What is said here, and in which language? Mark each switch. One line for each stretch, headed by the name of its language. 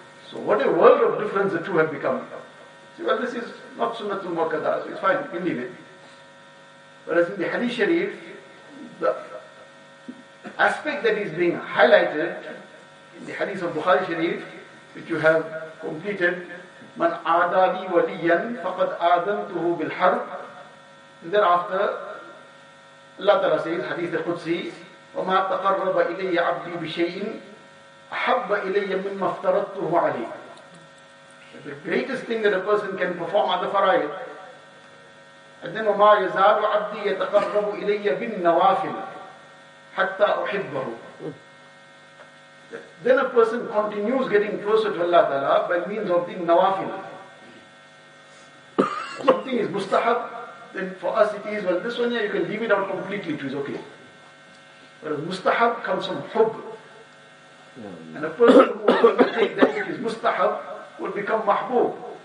English: So what a world of difference the two have become. See, well, this is not sunnatul muqaddah, so it's fine, you can leave it. Whereas in the Hadith Sharif, the aspect that is being highlighted in the Hadith of Bukhari Sharif, which you have completed,
Arabic: من عادى لي وليا فقد آذنته بالحرب.
English: And thereafter, Allah Ta'ala says, Hadith al-Qudsi,
Arabic: وما تقرب إلي عبدي بشيء أحب إلي مما افترضته عليه.
English: The greatest thing that a person can perform are the fara'id. And then,
Arabic: وما يزال عبدي يتقرب إلي بالنوافل حتى أحبه.
English: Then a person continues getting closer to Allah Ta'ala by means of the nawafil. Something is mustahab, then for us it is, well, this one here you can leave it out completely, it is okay. Whereas mustahab comes from hub. And a person who will take that which is mustahab will become mahbub.